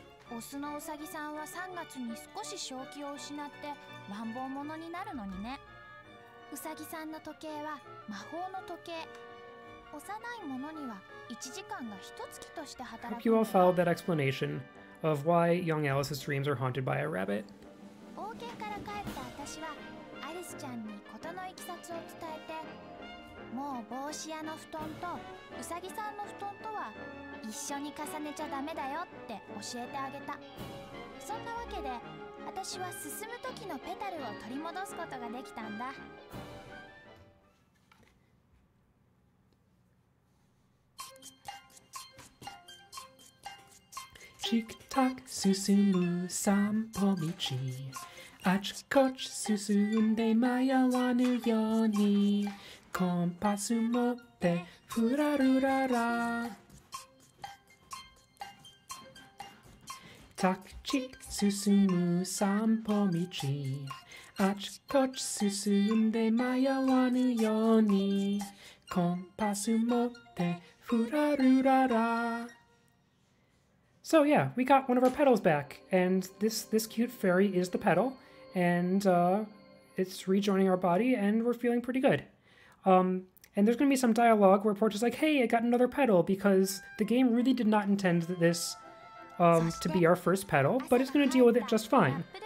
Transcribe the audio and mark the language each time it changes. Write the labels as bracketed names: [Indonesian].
[Japanese] オスのウサギさんは3月に少し正気を失って乱暴者になるのにね。ウサギさんの時計は魔法の時計。幼い者には1時間が1月として働く。 [English] Hope you all followed that explanation of why young Alice's dreams are haunted by a rabbit. [Japanese] 冒険から帰った私はアリスちゃんに事のいきさつを伝えて、もう帽子屋の布団とウサギさんの布団とは一緒に重ねちゃダメだよって教えてあげた。そんなわけで、私は進む時のペタルを取り戻すことができたんだ。チクタク進む散歩道、あちこち進んで迷わぬように、コンパス持ってフラルララ。タクチク進む散歩道、あちこち進んで迷わぬように、コンパス持ってフラルララ。 [English] So yeah, we got one of our pedals back, and this cute fairy is the pedal, and it's rejoining our body, and we're feeling pretty good. And there's going to be some dialogue where Porch is like, hey, I got another pedal, because the game really did not intend that this to be our first pedal, but it's going to deal with it just fine.